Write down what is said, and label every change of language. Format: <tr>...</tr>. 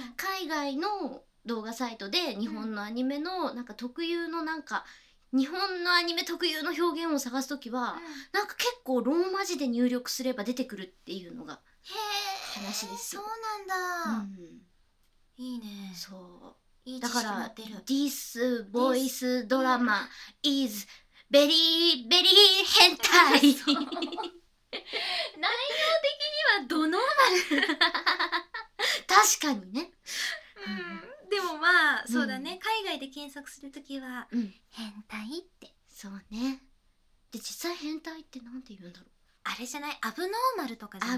<ja>海外の動画サイトで日本のアニメのなんか特有のなんか、うん、日本のアニメ特有の表現を探すときは、うん、なんか結構ローマ字で入力すれば出てくるっていうのが話ですよ。そうなんだ、うん、いいね。そういい知識持ってる。</ja> <en>だから This voice drama is very very 変態</en> <ja>内容的にはどノーマル確かにね、うん、でもまあそうだね、うん、海外で検索するときは、うん、変態って。そうね。で実際変態ってなんて言うんだろう。あれじゃない、アブノーマルとかじゃない。</ja>